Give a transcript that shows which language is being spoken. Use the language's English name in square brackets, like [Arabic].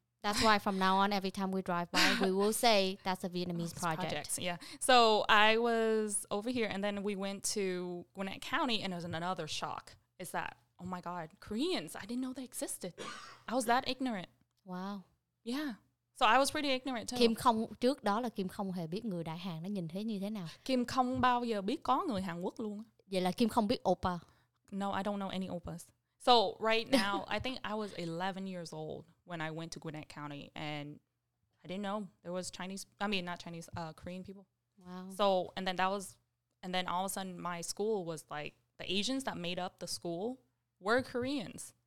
[English] that's why from now on every time we drive by we will say that's a Vietnamese project. Yeah. So I was over here and then we went to Gwinnett County and it was another shock. Is that oh my God, Koreans, I didn't know they existed. I was that ignorant. Wow. Yeah. So I was pretty ignorant too. [Vietnamese] Kim không trước đó là Kim không hề biết người Đại Hàn nó nhìn thấy như thế nào. Kim không bao giờ biết có người Hàn Quốc luôn. Vậy là Kim không biết oppa. [English] No, I don't know any oppas. So right now, I think I was 11 years old when I went to Gwinnett County, and I didn't know there was Korean people. Wow. So, and then all of a sudden my school was like, the Asians that made up the school were Koreans.